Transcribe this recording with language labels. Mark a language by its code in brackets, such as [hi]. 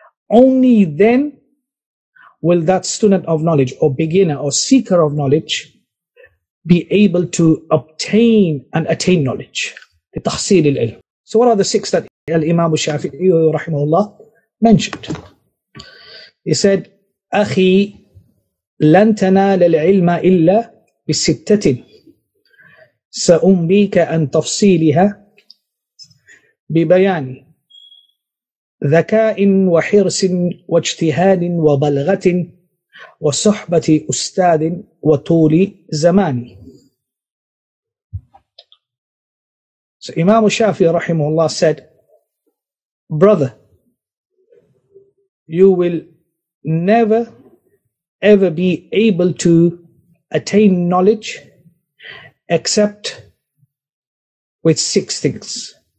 [en] Only then will that student of knowledge or beginner or seeker of knowledge be able to obtain and attain knowledge. [ar] لتحصيل العلم. [en] So what are the six that Imam Shafi'i rahimahullah mentioned? He said, [ar] أخي لن تنال العلم إلا بستة سأنبيك عن تفصيلها ببيان ذكاء وحرص واجتهاد وبلغة وصحبة أستاذ وطول زمان. [en] So Imam Shafi'i rahimahullah said, brother, you will never ever be able to attain knowledge except with six things.